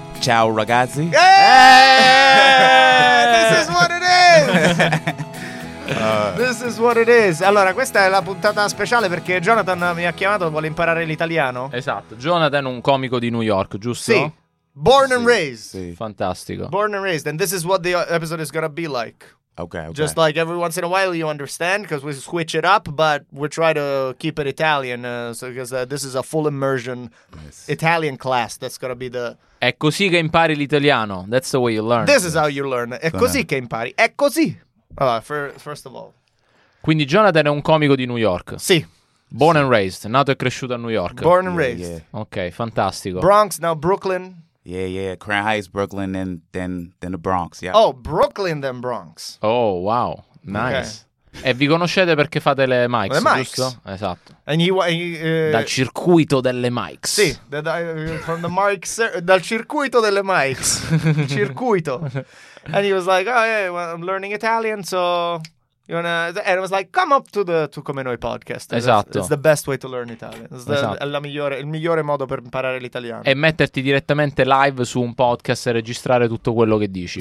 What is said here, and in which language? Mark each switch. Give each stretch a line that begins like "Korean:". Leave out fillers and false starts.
Italian: Ciao ragazzi.
English: This is what it is. This is what it is.
Italian: Allora, questa è la puntata speciale perché Jonathan mi ha chiamato, vuole imparare l'italiano. Esatto, Jonathan è un comico di New York, giusto?
English: Sì. Born and raised.
Italian: Sì. Fantastico.
English: Born and raised, and this is what the episode is gonna be like. Okay. Just like every once in a while, you understand, because we switch it up, but we try to keep it Italian, because this is a full immersion Italian class. That's gonna be the.
Italian: È così che impari l'italiano.
English: That's the way you learn. This is how you learn.
Italian: È così che impari. È così.
English: First of all.
Italian: Quindi Jonathan è un comico di New York. Sì.
English: Born and raised.
Italian: Nato e cresciuto a New York.
English: Born and raised. Yeah.
Italian: Okay, fantastico.
English: Bronx, now Brooklyn. Yeah, yeah. Crown Heights, Brooklyn, and then the Bronx. Yeah. Oh, Brooklyn, then Bronx. Oh, wow. Nice.
Italian: Okay. E vi conoscete perché fate le mics, le mics. Giusto? Esatto. Dal circuito delle mics. Sì,
English: from the mics,
Italian: dal circuito delle mics. Circuito.
English: And he was like, oh, yeah, well, I'm learning Italian, so... You wanna, and I was like, come up to the Two Coming Noi podcast.
Italian: Esatto.
English: It's the best way to learn Italian. It's esatto.
Italian: il migliore modo per imparare l'italiano. E metterti direttamente live su un podcast e registrare tutto quello che dici.